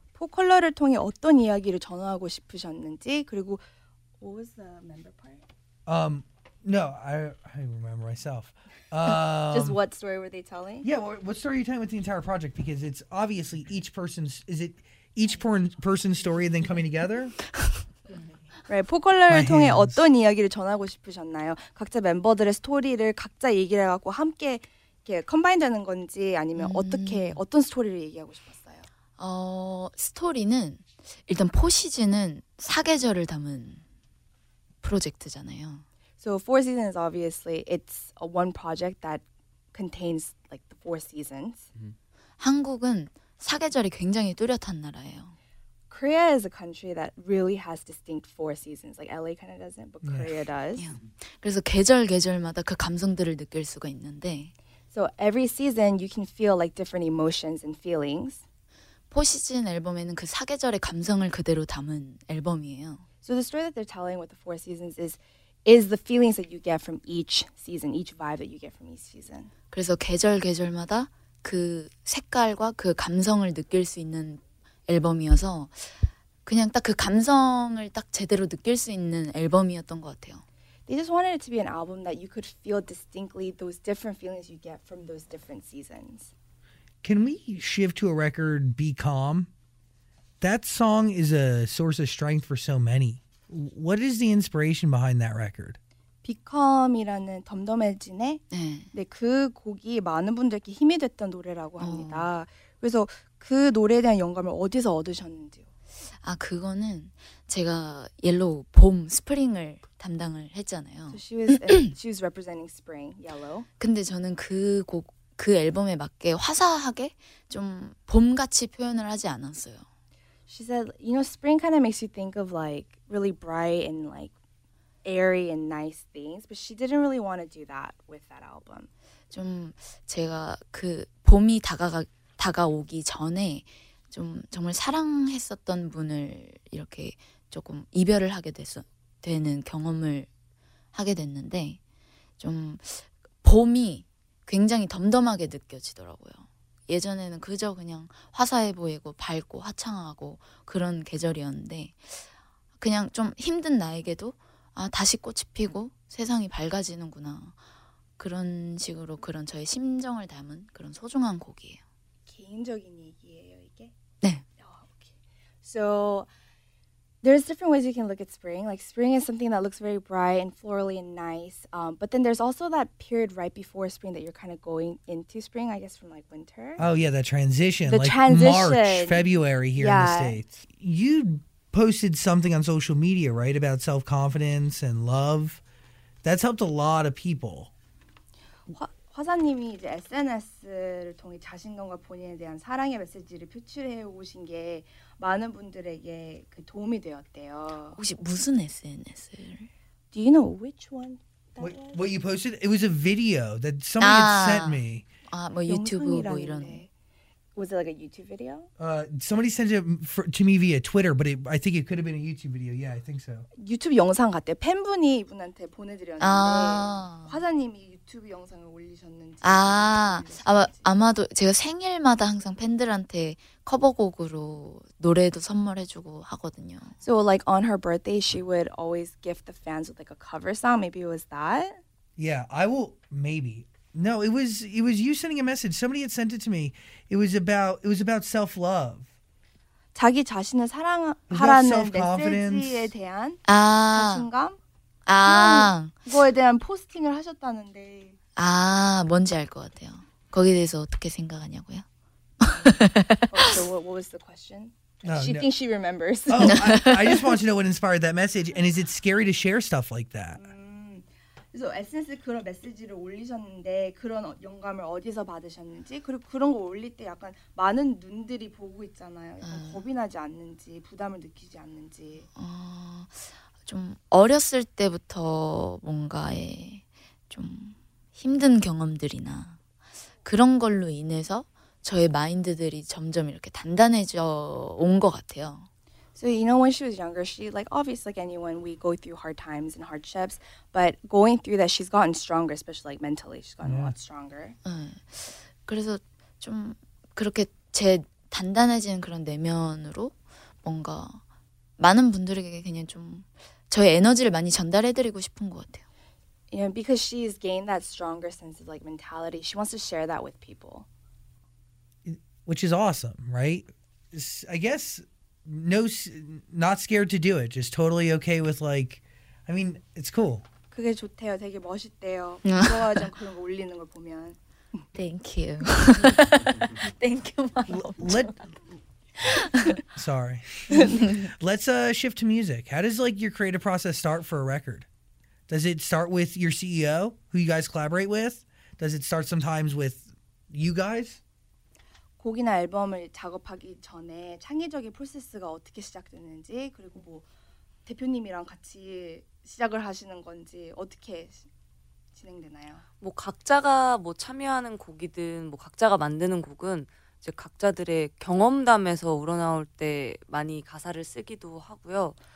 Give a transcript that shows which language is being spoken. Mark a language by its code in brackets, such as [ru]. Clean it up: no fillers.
[ko] 포 컬러를 통해 어떤 이야기를 전하고 싶으셨는지 그리고 [en] what was the member part? No, I remember myself. Just what story were they telling? Yeah, what story are you telling with the entire project? Because it's obviously each person's, is it each person's story and then coming together? Right, [ko] 포컬러를 통해 [en] hands. [ko] 어떤 이야기를 전하고 싶으셨나요? 각자 멤버들의 스토리를 각자 얘기를 해갖고 함께 이렇게 컴바인되는 건지 아니면 어떻게, 어떤 스토리를 얘기하고 싶었어요? 스토리는 일단 포 시즌은 사계절을 담은 프로젝트잖아요. [en] So Four Seasons, obviously, it's a one project that contains like the four seasons. Mm-hmm. [ko] 한국은 사계절이 굉장히 뚜렷한 나라예요. [en] Korea is a country that really has distinct four seasons. Like LA kind of doesn't, but Korea yeah. does. Yeah. [ko] 그래서 계절 계절마다 그 감성들을 느낄 수가 있는데. [en] So every season, you can feel like different emotions and feelings. [ko] 포 시즌 앨범에는 그 사계절의 감성을 그대로 담은 앨범이에요. [en] So the story that they're telling with the four seasons is the feelings that you get from each season, each vibe that you get from each season. [ko] 그래서 계절 계절마다 그 색깔과 그 감성을 느낄 수 있는 앨범이어서 그냥 딱 그 감성을 딱 제대로 느낄 수 있는 앨범이었던 것 같아요. [en] They just wanted it to be an album that you could feel distinctly those different feelings you get from those different seasons. Can we shift to a record, Be Calm? That song is a source of strength for so many. What is the inspiration behind that record? [ko] Be Calm이라는 덤덤해진의 네, 그 곡이 많은 분들께 힘이 됐던 노래라고 합니다. 그래서 그 노래에 대한 영감을 어디서 얻으셨는지요? 아 그거는 제가 옐로우 봄 스프링을 담당을 했잖아요. [en] So she was representing spring yellow. [ko] 근데 저는 그 곡 그 앨범에 맞게 화사하게 좀 봄같이 표현을 하지 않았어요. [en] She said, you know, spring kind of makes you think of like really bright and like airy and nice things, but she didn't really want to do that with that album. [ko] 좀 제가 그 봄이 다가오기 전에 좀 정말 사랑했었던 분을 이렇게 조금 이별을 하게 돼서 되는 경험을 하게 됐는데 좀 봄이 굉장히 덤덤하게 느껴지더라고요. 예전에는 그저 그냥 화사해 보이고 밝고 화창하고 그런 계절이었는데 그냥 좀 힘든 나에게도 아 다시 꽃이 피고 세상이 밝아지는구나 그런 식으로 그런 저의 심정을 담은 그런 소중한 곡이에요. 개인적인 얘기예요 이게? 네. [en] Oh, okay. So there's different ways you can look at spring. Like spring is something that looks very bright and florally and nice. But then there's also that period right before spring that you're kind of going into spring, I guess, from like winter. Oh yeah, that transition. The transition. March, February here in the States. You posted something on social media, right, about self-confidence and love. That's helped a lot of people. [ko] 화사님이 이제 SNS를 통해 자신감과 본인에 대한 사랑의 메시지를 표출해 오신 게 많은 분들에게 그 도움이 되었대요. 혹시 무슨 SNS를? [en] Do you know which one? What you posted? It was a video that somebody had sent me. [ko] 아, 뭐 유튜브 뭐 이런. [en] Was it like a YouTube video? Somebody sent it to me via Twitter, but I think it could have been a YouTube video. Yeah, I think so. [ko] 유튜브 영상 같대요. 팬분이 이분한테 보내드렸는데 화사님이 유튜브 영상을 올리셨는지. 아마도 제가 생일마다 항상 팬들한테 커버곡으로 노래도 선물해주고 하거든요. [en] So like on her birthday, she would always gift the fans with like a cover song. Maybe it was that? Yeah, I will, maybe. No, it was you sending a message. Somebody had sent it to me. It was about self love. [ko] 자기 자신을 사랑하라는 메시지에 대한 자신감. 그거에 대한 포스팅을 하셨다는데. 아, 뭔지 알 것 같아요. 거기에 대해서 어떻게 생각하냐고요? [en] So what was the question? Thinks she remembers. Oh, I just want to know what inspired that message, and is it scary to share stuff like that? [ko] 그래서 SNS 그런 메시지를 올리셨는데 그런 영감을 어디서 받으셨는지 그리고 그런 거 올릴 때 약간 많은 눈들이 보고 있잖아요. 겁이 나지 않는지 부담을 느끼지 않는지. 좀 어렸을 때부터 뭔가의 좀 힘든 경험들이나 그런 걸로 인해서 저의 마인드들이 점점 이렇게 단단해져 온 것 같아요. [en] So, you know, when she was younger, she, like, obviously, like anyone, we go through hard times and hardships, but going through that, she's gotten stronger, especially, like, mentally, she's gotten a lot stronger. [ko] 그래서 좀 그렇게 제 단단해지는 그런 내면으로 뭔가 많은 분들에게 그냥 좀 저의 에너지를 많이 전달해드리고 싶은 것 같아요. [en] You know, because she's gained that stronger sense of, like, mentality, she wants to share that with people. Which is awesome, right? I guess... No, not scared to do it. Just totally okay with like, I mean, it's cool. [ko] 그게 좋대요. 되게 멋있대요. 좋아하잖아 그런 거 올리는 걸 보면. [en] Thank you. Thank you, mom. Sorry. Let's shift to music. How does like your creative process start for a record? Does it start with your CEO, who you guys collaborate with? Does it start sometimes with you guys? [ko] 곡이나 앨범을 작업하기 전에 창의적인 프로세스가 어떻게 시작되는지 그리고 뭐 대표님이랑 같이 시작을 하시는 건지 어떻게 진행되나요? 뭐 각자가 뭐 참여하는 곡이든 뭐 각자가 만드는 곡은 이제 각자들의 경험담에서 우러나올 때 많이 가사를 쓰기도 하고요.